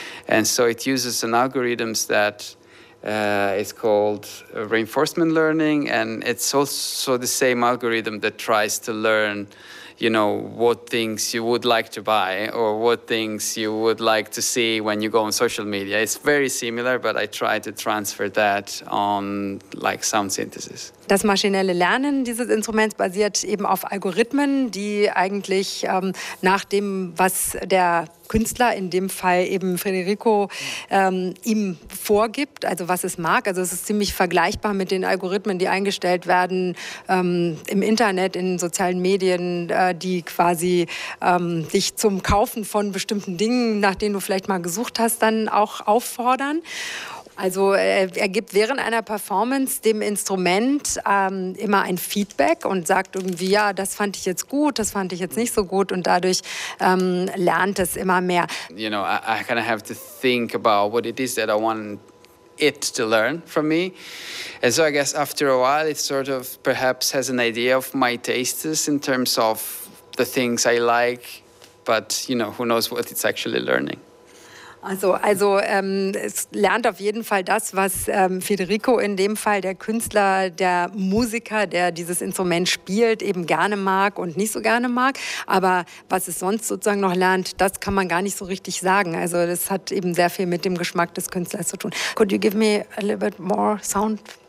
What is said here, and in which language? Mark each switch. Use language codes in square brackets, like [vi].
[en] And so it uses an algorithm that it's called reinforcement learning, and it's also the same algorithm that tries to learn, you know, what things you would like to buy or what things you would like to see when you go on social media. It's very similar, but I try to transfer that on like sound synthesis. [de] Das maschinelle Lernen dieses Instruments basiert eben auf Algorithmen, die eigentlich nach dem, was der Künstler, in dem Fall eben Federico, ihm vorgibt, also was es mag. Also es ist ziemlich vergleichbar mit den Algorithmen, die eingestellt werden im Internet, in sozialen Medien, die quasi dich zum Kaufen von bestimmten Dingen, nach denen du vielleicht mal gesucht hast, dann auch auffordern. Also er gibt während einer Performance dem Instrument immer ein Feedback und sagt irgendwie, ja, das fand ich jetzt gut, das fand ich jetzt nicht so gut, und dadurch lernt es immer mehr. [en] You know, I kind of have to think about what it is that I want it to learn from me. And so I guess after a while it sort of perhaps has an idea of my tastes in terms of the things I like, but you know, who knows what it's actually learning. [de] Also es lernt auf jeden Fall das, was Federico in dem Fall, der Künstler, der Musiker, der dieses Instrument spielt, eben gerne mag und nicht so gerne mag. Aber was es sonst sozusagen noch lernt, das kann man gar nicht so richtig sagen. Also das hat eben sehr viel mit dem Geschmack des Künstlers zu tun. [en] Could you give me a little bit more sound?